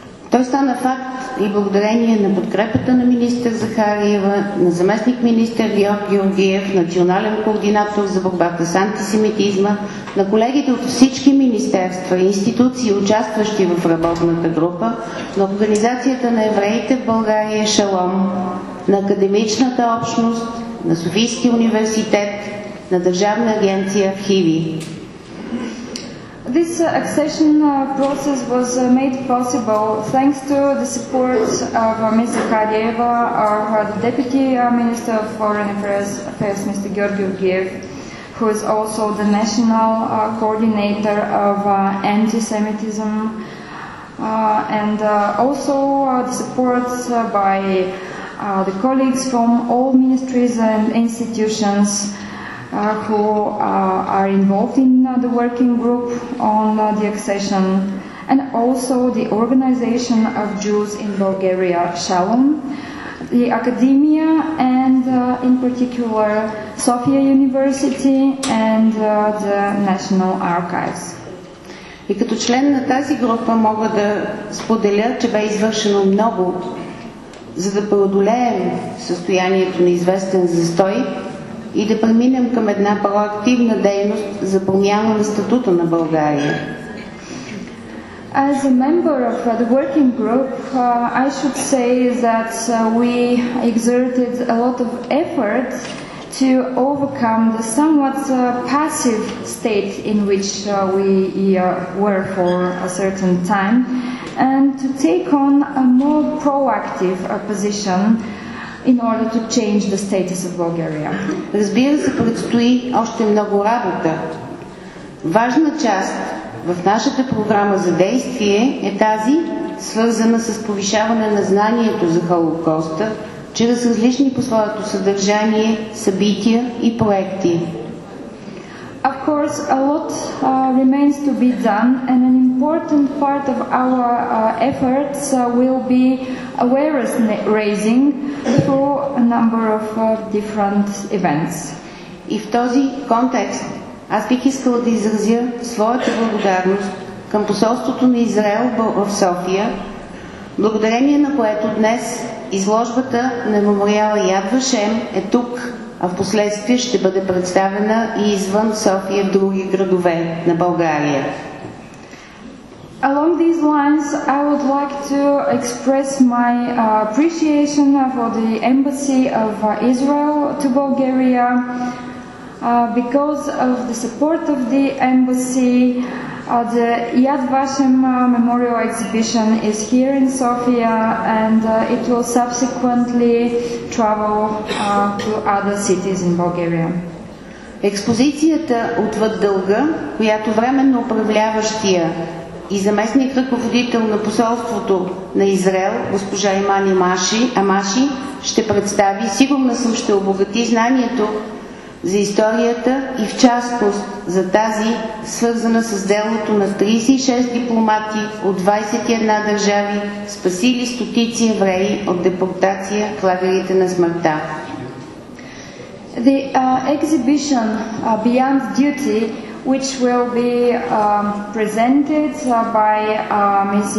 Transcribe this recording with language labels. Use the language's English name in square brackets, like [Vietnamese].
[Bulgarian] Той стана факт и благодарение на подкрепата на министър Захариева, на заместник министър Георг Георгиев, национален координатор за борбата с антисемитизма, на колегите от всички министерства и институции, участващи в работната група, на Организацията на евреите в България Шалом, на академичната общност, на Софийския университет, на Държавна агенция Архиви. [English] This accession process was made possible thanks to the support of Ms. Zakharieva, the Deputy Minister of Foreign Affairs, Mr. Georgi Georgiev, who is also the National Coordinator of Anti-Semitism, and also the support by the colleagues from all ministries and institutions who are involved in the working group on the accession, and also the Organization of Jews in Bulgaria, Shalom, the academia, and in particular Sofia University and the National Archives. [Bulgarian] И като член на тази група мога да споделя, че бе извършено много, за да преодолеем състоянието на известен застой и да преминем към една проактивна дейност за промяна на статута на България. [English] As a member of the working group, I should say that we exerted a lot of effort to overcome the somewhat passive state in which we were for a certain time, and to take on a more proactive position in order to change the status of Bulgaria. [Bulgarian] Разбира се, предстои още много работа. Важна част в нашата програма за действие е тази, свързана с повишаване на знанието за Холокоста чрез различни по своето съдържание, събития и проекти. [English] Of course, a lot remains to be done, and an important part of our efforts will be awareness raising through a number of different events. [Bulgarian] И в този контекст аз бих искала да изразя своята благодарност към посолството на Израел в София, благодарение на което днес изложбата на мемориала Яд Вашем е тук, а в последствие ще бъде представена и извън София в други градове на България. [English] Along these lines, I would like to express my appreciation for the embassy of Israel to Bulgaria because of the support of the embassy. The Yad Vashem Memorial Exhibition is here in Sofia and it will subsequently travel to other cities in Bulgaria. [Bulgarian] Експозицията Отвъд дълга, която временно управляващия и заместник ръководител на посолството на Израел, госпожа Имани Амаши, ще представи, сигурна съм, ще обогати знанието за историята и в частност за тази, свързана с делото на 36 дипломати от 21 държави, спасили стотици евреи от депортация в лагерите на смъртта. [English] The exhibition Beyond Duty, which will be presented by Ms.